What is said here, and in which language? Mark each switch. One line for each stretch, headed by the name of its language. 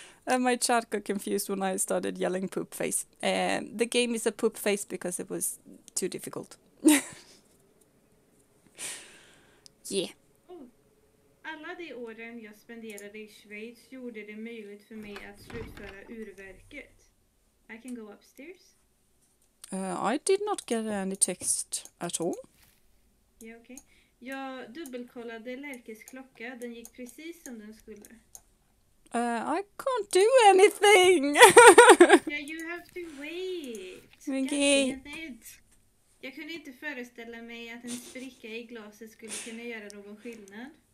English: And my chat got confused when I started yelling poop face. The game is a poop face because it was too difficult. Yeah.
Swedish: Alla de åren jag spenderade I Schweiz gjorde det möjligt för mig att slutföra urverket.
English: I can go upstairs. I did not get any text at all. Yeah, okay.
Swedish: Jag dubbelkollade Lerkes klocka. Den gick precis som den skulle.
English: I can't do anything. Yeah, you have to wait. Okay.
Swedish: Jag kunde inte föreställa mig att en spricka I glaset skulle kunna göra någon skillnad.